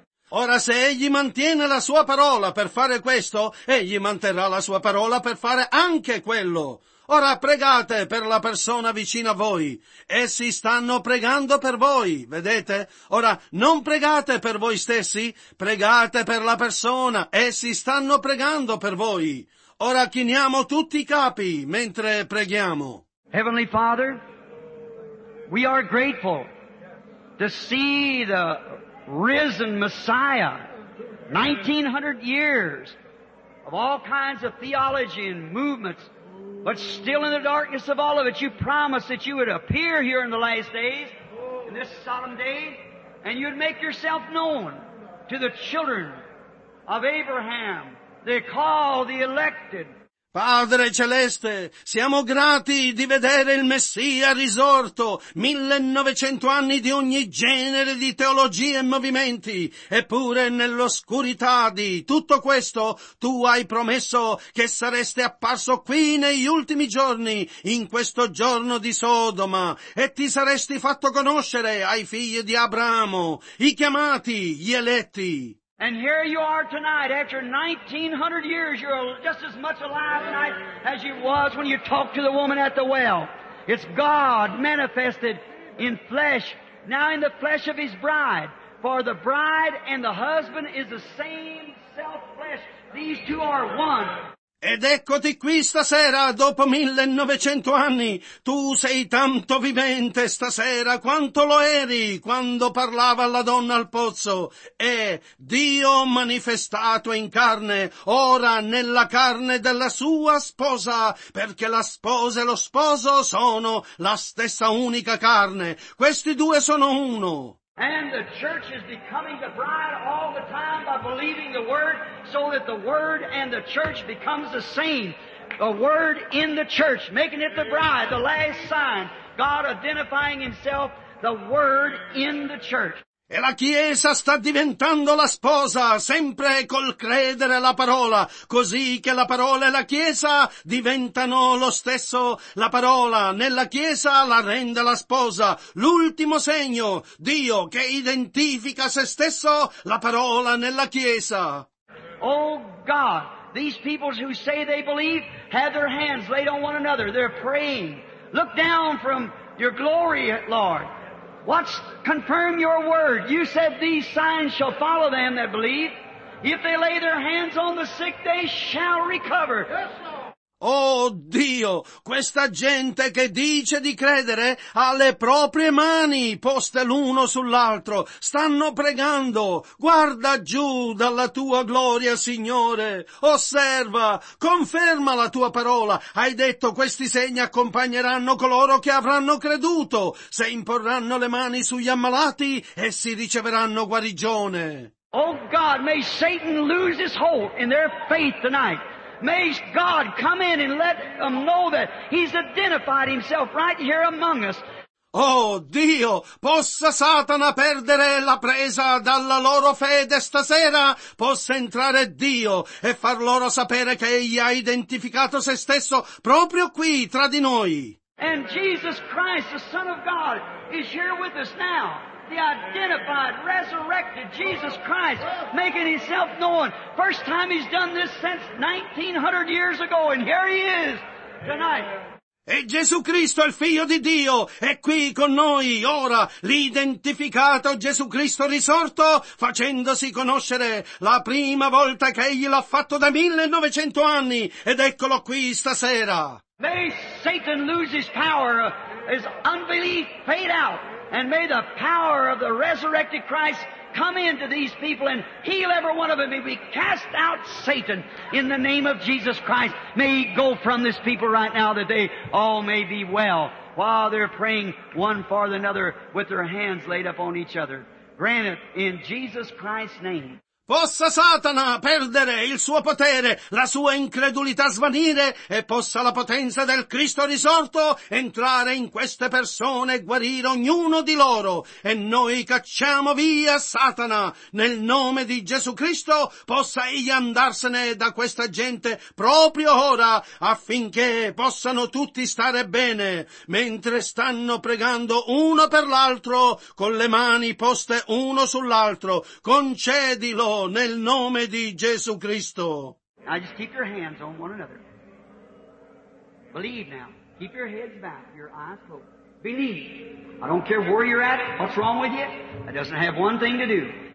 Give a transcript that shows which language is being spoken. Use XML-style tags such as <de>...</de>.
<it>Ora se egli mantiene la sua parola per fare questo, egli manterrà la sua parola per fare anche quello. Ora pregate per la persona vicina a voi. Essi stanno pregando per voi, vedete? Ora non pregate per voi stessi, pregate per la persona. Essi stanno pregando per voi. Ora chiniamo tutti i capi mentre preghiamo.</it> <en>Heavenly Father, we are grateful to see the risen Messiah, 1900 years of all kinds of theology and movements, but still in the darkness of all of it, you promised that you would appear here in the last days, in this solemn day, and you'd make yourself known to the children of Abraham, the called, the elected.</en> <it>Padre Celeste, siamo grati di vedere il Messia risorto, 1900 anni di ogni genere di teologie e movimenti, eppure nell'oscurità di tutto questo tu hai promesso che sareste apparso qui negli ultimi giorni, in questo giorno di Sodoma, e ti saresti fatto conoscere ai figli di Abramo, i chiamati, gli eletti.</it> <en>And here you are tonight, after 1900 years, you're just as much alive tonight as you was when you talked to the woman at the well. It's God manifested in flesh, now in the flesh of his bride. For the bride and the husband is the same self-flesh. These two are one.</en> <it>Ed eccoti qui stasera, dopo 1900 anni, tu sei tanto vivente stasera quanto lo eri quando parlava la donna al pozzo. E Dio manifestato in carne, ora nella carne della sua sposa, perché la sposa e lo sposo sono la stessa unica carne. Questi due sono uno.</it> <en>And the church is becoming the bride all the time by believing the word, so that the word and the church becomes the same. The word in the church, making it the bride, the last sign. God identifying himself the word in the church.</en> <it>E la Chiesa sta diventando la sposa, sempre col credere la parola, così che la parola e la Chiesa diventano lo stesso. La parola nella Chiesa la rende la sposa, l'ultimo segno, Dio che identifica se stesso, la parola nella Chiesa.</it> <en>Oh God, these people who say they believe have their hands laid on one another, they're praying. Look down from your glory, Lord. Watch, confirm your word. You said these signs shall follow them that believe. If they lay their hands on the sick, they shall recover. Yes, Lord.</en> <it>Oh Dio, questa gente che dice di credere ha le proprie mani poste l'uno sull'altro. Stanno pregando. Guarda giù dalla tua gloria, Signore. Osserva, conferma la tua parola. Hai detto questi segni accompagneranno coloro che avranno creduto. Se imporranno le mani sugli ammalati, essi riceveranno guarigione.</it> <en>Oh God, may Satan lose his hold in their faith tonight. May God come in and let them know that he's identified himself right here among us.</en> <it>Oh Dio, possa Satana perdere la presa dalla loro fede stasera, possa entrare Dio e far loro sapere che egli ha identificato se stesso proprio qui tra di noi.</it> <en>And Jesus Christ, the Son of God, is here with us now. The identified, resurrected Jesus Christ, making himself known. First time he's done this since 1900 years ago, and here he is tonight.</en> <it>E Gesù Cristo, il Figlio di Dio, è qui con noi, ora, l'identificato Gesù Cristo risorto, facendosi conoscere la prima volta che egli l'ha fatto da 1900 anni, ed eccolo qui stasera.</it> <en>May Satan lose his power, his unbelief fade out, and may the power of the resurrected Christ come into these people and heal every one of them. May we cast out Satan in the name of Jesus Christ. May he go from this people right now that they all may be well while they're praying one for another with their hands laid up on each other. Grant it in Jesus Christ's name.</en> <it>Possa Satana perdere il suo potere, la sua incredulità svanire e possa la potenza del Cristo risorto entrare in queste persone e guarire ognuno di loro. E noi cacciamo via Satana nel nome di Gesù Cristo, possa egli andarsene da questa gente proprio ora affinché possano tutti stare bene mentre stanno pregando uno per l'altro con le mani poste uno sull'altro. Concedilo nel nome di Gesù Cristo.</it> <en>Now just keep your hands on one another. Believe now. Keep your heads back, your eyes closed. Believe. I don't care where you're at, what's wrong with you. That doesn't have one thing to do.</en>